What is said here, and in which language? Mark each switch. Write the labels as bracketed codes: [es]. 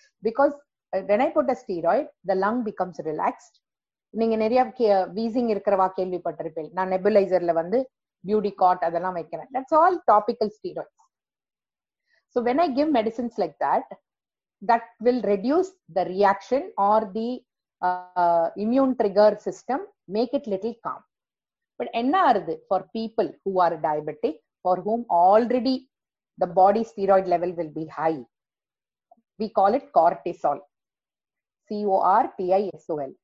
[en] Because when I put a steroid, the lung becomes relaxed. [ta] நீங்க நிறைய wheezing இருக்கிறவா கேள்விப்பட்டிருப்பேன், நான் நெபுலைசர்ல வந்து பியூடிகாட் அதெல்லாம் வைக்கிறேன், [en] that's all topical steroids. So when I give medicines like that, that will reduce the reaction or the immune trigger system, make it little calm. But [ta] enna arudhu [en] for people who are diabetic, for whom already the body steroid level will be high, we call it cortisol, cortisol.